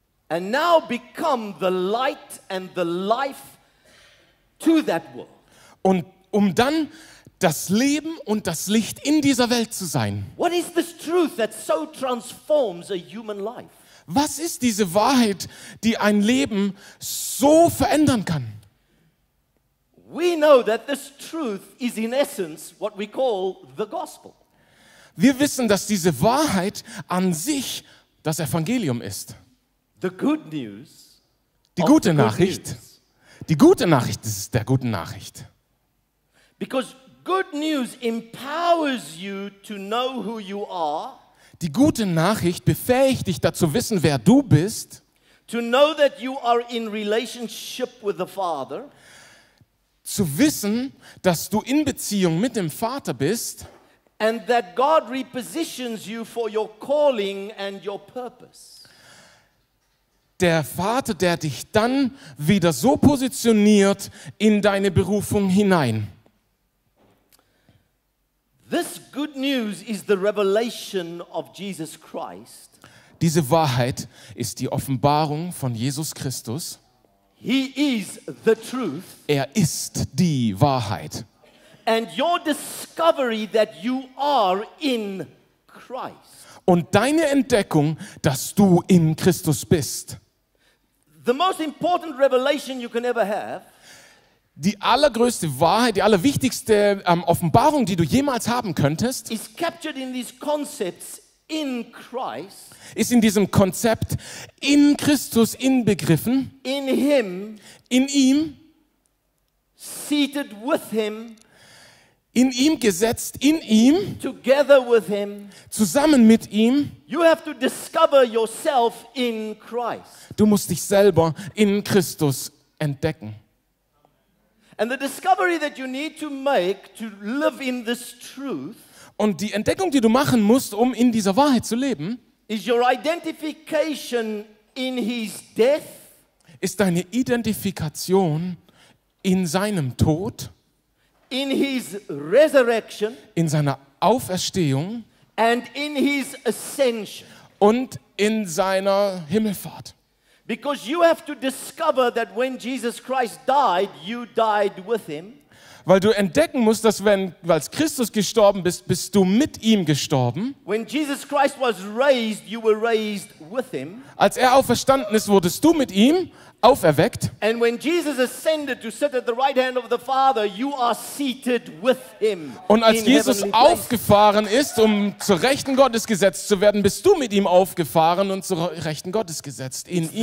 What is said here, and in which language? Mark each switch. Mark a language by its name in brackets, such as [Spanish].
[English] And now become the light and the life to that world. [German] Und um dann das Leben und das Licht in dieser Welt zu sein. [English] What is this truth that so transforms a human life? [German] Was ist diese Wahrheit, die ein Leben so verändern kann? [English] We know that this truth is in essence what we call the gospel. [German] Wir wissen, dass diese Wahrheit an sich das Evangelium ist. [English] The good news. [German] Die gute Nachricht. Die gute Nachricht ist der guten Nachricht. [English] Because good news empowers you to know who you are. [German] Die gute Nachricht befähigt dich dazu, wissen, wer du bist. [English] To know that you are in relationship with the Father. [German] Zu wissen, dass du in Beziehung mit dem Vater bist, [English] and that God repositions you for your calling and your purpose. [German] Der Vater, der dich dann wieder so positioniert in deine Berufung hinein. [English] This good news is the revelation of Jesus Christ. [German] Diese Wahrheit ist die Offenbarung von Jesus Christus. [English] He is the truth. [German] Er ist die Wahrheit. [English] And your discovery that you are in Christ. [German] Und deine Entdeckung, dass du in Christus bist. [English] The most important revelation you can ever have. [German] Die allergrößte Wahrheit, die allerwichtigste Offenbarung, die du jemals haben könntest, [English] is captured in these concepts in Christ. [German] Ist in diesem Konzept in Christus inbegriffen. [English] In him. [German] In ihm. [English] Seated with him. [German] In ihm gesetzt, in ihm. [English] Together with him. [German] Zusammen mit ihm. [English] You have to discover yourself in Christ. [German] Du musst dich selber in Christus entdecken. [English] And the discovery that you need to make to live in this truth. [German] Und die Entdeckung, die du machen musst, um in dieser Wahrheit zu leben, [English] is your identification in his death, [German] ist deine Identifikation in seinem Tod, [English] in his resurrection, [German] in seiner Auferstehung [English] and in his ascension, [German] und in seiner Himmelfahrt. [English] Because you have to discover that when Jesus Christ died, you died with him. [German] Weil du entdecken musst, dass wenn, weil Christus gestorben bist, bist du mit ihm gestorben. [English] When Jesus Christ was raised, you were raised with him. [German] Als er auferstanden ist, wurdest du mit ihm auferweckt. [English] And when Jesus ascended to sit at the right hand of the Father, you are seated with him. [German] Und als Jesus aufgefahren ist, um zur Rechten Gottes gesetzt zu werden, bist du mit ihm aufgefahren und zur Rechten Gottes gesetzt in ihm.